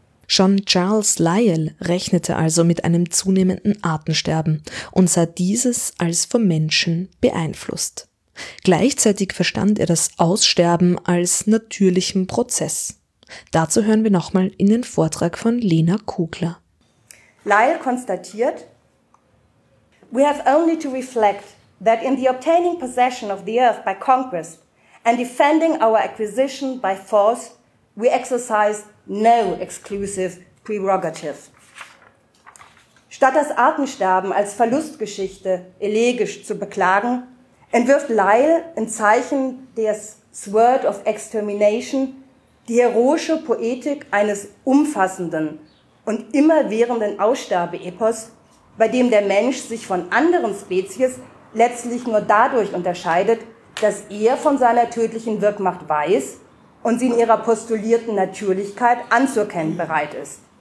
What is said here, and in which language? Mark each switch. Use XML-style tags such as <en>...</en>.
<de>Schon Charles Lyell rechnete also mit einem zunehmenden Artensterben und sah dieses als vom Menschen beeinflusst. Gleichzeitig verstand er das Aussterben als natürlichen Prozess. Dazu hören wir nochmal in den Vortrag von Lena Kugler. Lyell konstatiert:</de> <en>We have only to reflect that in the obtaining possession of the earth by conquest and defending our acquisition by force, we exercise no exclusive prerogative.</en> <de>Statt das Artensterben als Verlustgeschichte elegisch zu beklagen, entwirft Lyell in Zeichen des</de> <en>Sword of Extermination</en> <de>die heroische Poetik eines umfassenden und immerwährenden Aussterbeepos, bei dem der Mensch sich von anderen Spezies letztlich nur dadurch unterscheidet, dass er von seiner tödlichen Wirkmacht weiß und sie in ihrer postulierten Natürlichkeit anzuerkennen bereit ist.</de>